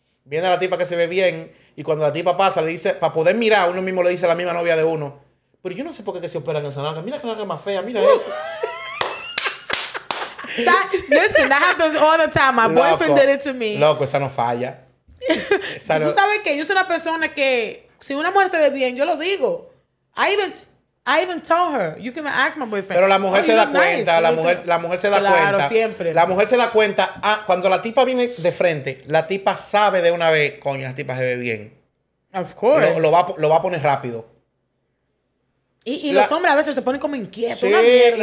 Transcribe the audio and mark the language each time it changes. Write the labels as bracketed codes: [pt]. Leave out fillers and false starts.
[es] Viene la tipa que se ve bien y cuando la tipa pasa, le dice, para poder mirar, uno mismo le dice a la misma novia de uno, pero yo no sé por qué que se operan esa nalga. Mira que nalga más fea, mira eso. [en] Listen, that happens all the time. My boyfriend did it to me. [es] Loco, esa no falla. Esa no... ¿Tú sabes qué? Yo soy una persona que, si una mujer se ve bien, yo lo digo. [en] I even told her, you can ask my boyfriend. [es] Pero la mujer se da cuenta, la mujer se da cuenta. Claro, siempre. La mujer se da cuenta, cuando la tipa viene de frente, la tipa sabe de una vez, coño, la tipa se ve bien. [en] Of course. [es] Lo va a poner rápido. Y los hombres a veces se ponen como inquietos. Sí, una mierda,